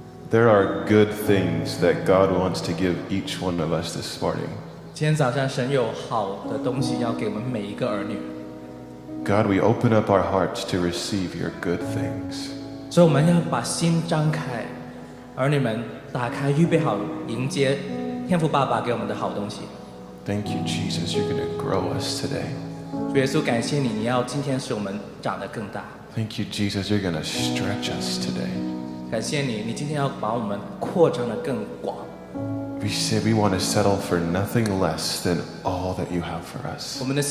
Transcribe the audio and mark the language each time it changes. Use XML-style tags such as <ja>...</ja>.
<en>There are good things that God wants to give each one of us this morning.</en> <zh>今天早上神有好的东西要给我们每一个儿女。</zh> <en>God, we open up our hearts to receive your good things.</en> <zh>所以我们要把心张开，儿女们打开，预备好迎接天父爸爸给我们的好东西。</zh> <en>Thank you, Jesus. You're going to grow us today.</en> <zh>主耶稣，感谢你，你要今天使我们长得更大。</zh> <en>Thank you, Jesus. You're going to stretch us today.</en> <zh>感谢你，你今天要把我们扩张得更广。</zh> <en>We say we want to settle for nothing less than all that you have for us.</en>